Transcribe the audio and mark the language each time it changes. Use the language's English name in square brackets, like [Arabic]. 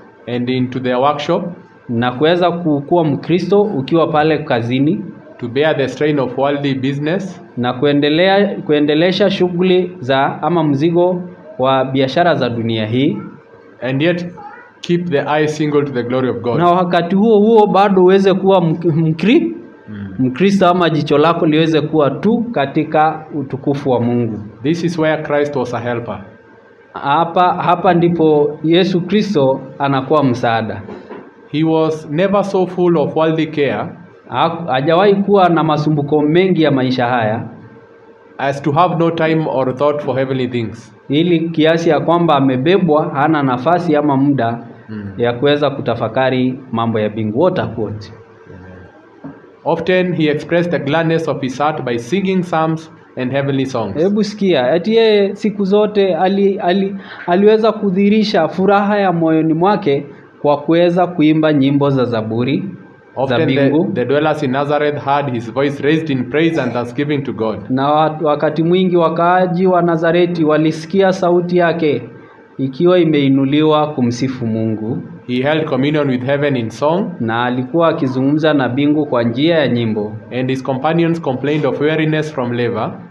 [English] And into their workshop. [Swahili] Na kuweza kukua Mkristo ukiwa pale kazini. [English] To bear the strain of worldly business. [Swahili] Na kuendelesha shughuli za ama mzigo wa biashara za dunia hii. [English] And yet keep the eye single to the glory of God. [Swahili] Na wakati huo huo bado uweze kuwa Mkristo ama jicho lako liweze kuwa tu katika utukufu wa Mungu. [English] This is where Christ was a helper. [Swahili] Hapa ndipo Yesu Kristo anakuwa msaada. [English] He was never so full of worldly care. [Swahili] Hajawahi kuwa na masumbuko mengi ya maisha haya. [English] As to have no time or thought for heavenly things. [Swahili] Ili kiasi ya kwamba amebebwa, hana nafasi ama muda ya kuweza kutafakari mambo ya bingu. [English] What a quote. Often he expressed the gladness of his heart by singing psalms and heavenly songs. [Swahili] Hebu sikia, ati yeye siku zote aliweza kudhirisha furaha ya moyoni mwake kwa kuweza kuimba nyimbo za zaburi za bingu. [English] The dwellers in Nazareth heard his voice raised in praise and thanksgiving to God. [Swahili] Na wakati mwingi wakaaji wa Nazareti walisikia sauti yake ikiwa imeinuliwa kumsifu Mungu. [English] He held communion with heaven in song. [Swahili] Na alikuwa akizungumza na bingu kwa njia ya nyimbo. [English] And his companions complained of weariness from labor.